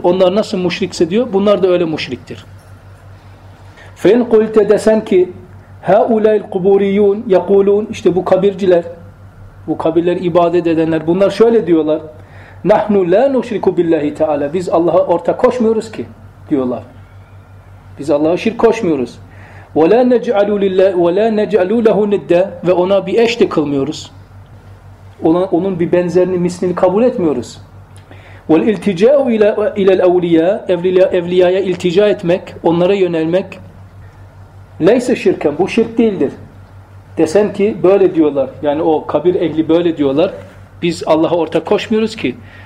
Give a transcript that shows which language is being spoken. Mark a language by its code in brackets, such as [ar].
[tr] Onlar nasıl müşrikse diyor, bunlar da öyle müşriktir. [ar] فَاِنْ قُلْتَ [tr] desen ki [ar] هَاُولَيْ الْقُبُورِيُونَ يَقُولُونَ [tr] işte bu kabirciler, bu kabirleri ibadet edenler bunlar şöyle diyorlar. [ar] نَحْنُ لَا نُشْرِكُ بِاللّٰهِ تَعَالَى [tr] Biz Allah'a ortak koşmuyoruz ki diyorlar. Biz Allah'a şirk koşmuyoruz. [ar] وَلَا نَجْعَلُوا لِلّٰهِ وَلَا نَجْعَلُوا لَهُ نِدَّ [tr] Ve ona bir eş de kılmıyoruz. Onun bir benzerini, mislini kabul etmiyoruz. [ar] وَالْاِلْتِجَاءُ اِلَى الْاَوْلِيَاءِ [tr] Evliyaya iltica etmek, onlara yönelmek. [ar] لَيْسَ شِرْكًا [tr] Bu şirk değildir. Desen ki böyle diyorlar. Yani o kabir ehli böyle diyorlar. Biz Allah'a ortak koşmuyoruz ki.